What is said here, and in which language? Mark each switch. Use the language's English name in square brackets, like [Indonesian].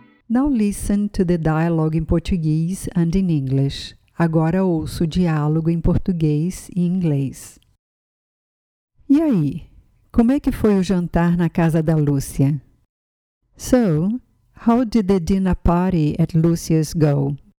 [English] Now listen to the dialogue in Portuguese and in English. [Portuguese] Agora ouço o diálogo em português e inglês. E aí, como é que foi o jantar na casa da Lúcia? [English] So, how did the dinner party at Lucia's go?